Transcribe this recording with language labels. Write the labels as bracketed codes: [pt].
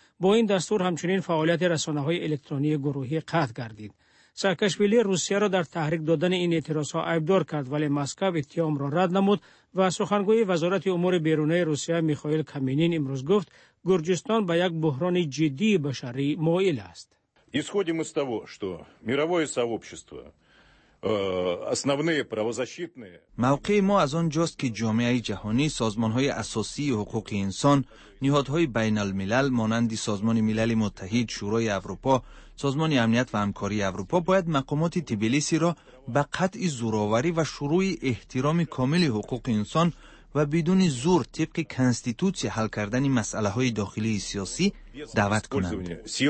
[fa] با این دستور همچنین فعالیت رسانه‌های الکترونی گروهی قطع گردید. ساکاشویلی روسیه را در تحریک دادن این اعتراض‌ها عیب‌دار کرد، ولی مسکو اتهام را رد نمود و سخنگوی وزارت امور بیرونی روسیه میخائیل کامینین امروز گفت گرجستان به یک بحران جدی بشری مایل است. [ru] Исходим из того, что мировое сообщество основные правозащитные [fa] موقع ما از آن جاست که جامعه جهانی، سازمان‌های اساسی حقوق انسان، نهادهای بین الملل مانند سازمان ملل متحد، شورای اروپا، سازمان امنیت و همکاری اروپا باید مقامات تبلیسی را به قطع زوراوری و شروع احترام کامل حقوق انسان و بدون زور طبق کنستیتوسی حل کردن مسئله های داخلی سیاسی دعوت کنند.